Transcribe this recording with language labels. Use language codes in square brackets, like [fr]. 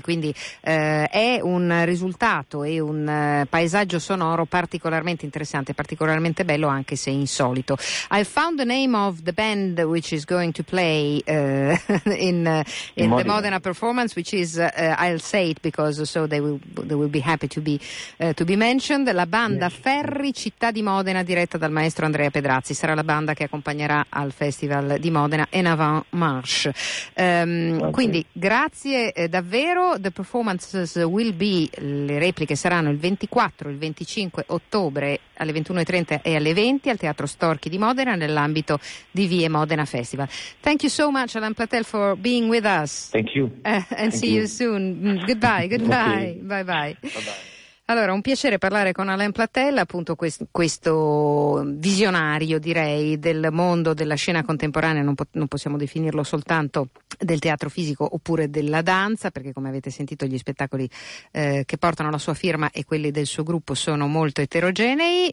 [it] Quindi è un risultato e un paesaggio sonoro particolarmente interessante, particolarmente bello, anche se insolito. [en] I found the name of the band which is going to play in Modena. The Modena performance, which is I'll say it because so they will be happy to be mentioned. [it] La banda Ferri Città di Modena, diretta dal maestro Andrea Pedrazzi, sarà la banda che accompagnerà al Festival di Modena En Avant Marche. Quindi grazie davvero. [en] The performances will be, [it] le repliche saranno il 24, il 25 ottobre alle 21:30 e alle 20 al Teatro Storchi di Modena nell'ambito di Vie Modena Festival. [en] Thank you so much, Alain Platel, for being with us. Thank you. And see you soon. Goodbye. Okay. Bye. [it] Allora, un piacere parlare con Alain Platel, appunto questo visionario, direi, del mondo della scena contemporanea. Non possiamo definirlo soltanto del teatro fisico oppure della danza, perché come avete sentito gli spettacoli che portano la sua firma e quelli del suo gruppo sono molto eterogenei.